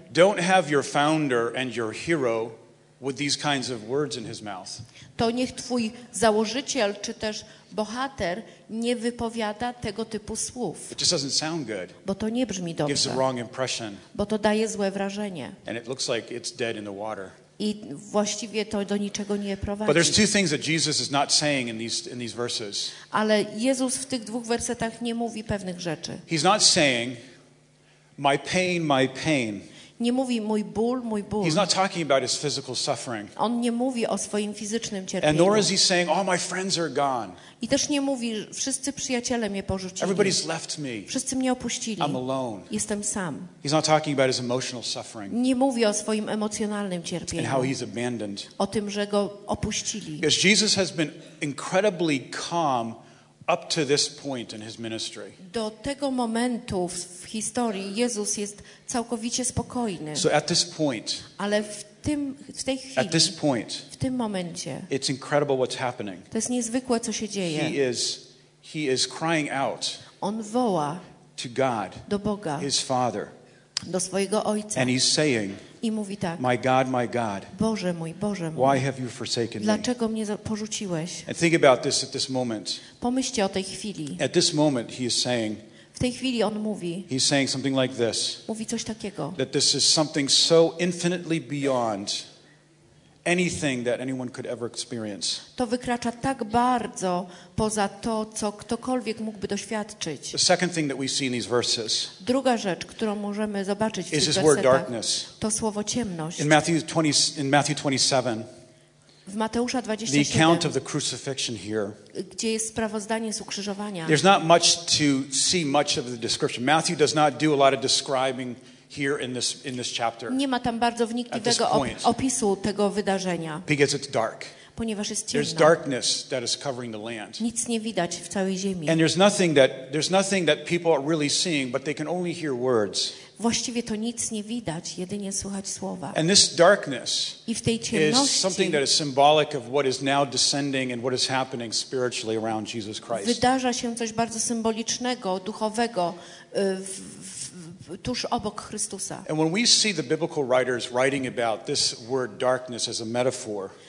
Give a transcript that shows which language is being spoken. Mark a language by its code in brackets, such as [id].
[en] don't have your founder and your hero with these kinds of words in his mouth. [pl] To niech twój założyciel czy też bohater nie wypowiada tego typu słów. [en] It just doesn't sound good. [pl] Bo to nie brzmi dobrze. [en] Gives the wrong impression. [pl] Bo to daje złe wrażenie. [en] And it looks like it's dead in the water. [pl] I właściwie to do niczego nie prowadzi. [en] But there's two things that Jesus is not saying in these verses. [pl] Ale Jezus w tych dwóch wersetach nie mówi pewnych rzeczy. [en] He's not saying my pain, my pain. [pl] Nie mówi mój ból, mój ból. [en] He's not talking about his physical suffering. [pl] On nie mówi o swoim fizycznym cierpieniu. [en] And nor is he saying all my friends are gone. [pl] I też nie mówi wszyscy przyjaciele mnie porzucili. [en] Everybody's left me. [pl] Wszyscy mnie opuścili. [en] I'm alone. [pl] Jestem sam. [en] He's not talking about his emotional suffering. [pl] Nie mówi o swoim emocjonalnym cierpieniu. [en] And how he's abandoned. [pl] O tym, że go opuścili. [en] Because Jesus has been incredibly calm up to this point in his ministry. [pl] Do tego momentu w historii Jezus jest całkowicie spokojny. [en] So at this point. [pl] Ale w tej chwili. [en] At this point. [pl] W tym momencie. [en] It's incredible what's happening. [pl] To jest niezwykłe, co się dzieje. [en] He is crying out. [pl] On woła. [en] To God. [pl] Do Boga. [en] His Father. [pl] Do swojego Ojca. [en] And he's saying. [pl] I mówi tak. [en] My God. [pl] Boże mój, Boże mój. [en] Why have you forsaken me? [pl] Dlaczego mnie porzuciłeś? [en] And think about this at this moment. [pl] Pomyślcie o tej chwili. [en] At this moment he is saying. [pl] W tej chwili on mówi. [en] He's saying something like this. [pl] Mówi coś takiego. [en] That this is something so infinitely beyond anything that anyone could ever experience. [pl] To wykracza tak bardzo poza to, co ktokolwiek mógłby doświadczyć. [en] The second thing that we see in these verses. [pl] Druga rzecz, którą możemy zobaczyć w tych wersetach, [en] is this word darkness. [pl] To słowo ciemność. [en] In Matthew 27. [pl] W Mateusza 27. [en] The account of the crucifixion here. [pl] Gdzie jest sprawozdanie z ukrzyżowania. [en] There's not much to see much of the description. Matthew does not do a lot of describing here in this chapter. [pl] Nie ma tam bardzo wnikliwego opisu tego wydarzenia. [en] Because it's dark. [pl] Ponieważ jest ciemno. [en] There's darkness that is covering the land. [pl] Nic nie widać w całej ziemi. [en] And there's nothing that people are really seeing, but they can only hear words. [pl] Właściwie to nic nie widać, jedynie słuchać słowa. [en] And this darkness is something that is symbolic of what is now descending and what is happening spiritually around Jesus Christ. [pl] Wydarza się coś bardzo symbolicznego, duchowego w tuż obok Chrystusa. [en] And when we see the biblical writers writing about this word darkness as a metaphor.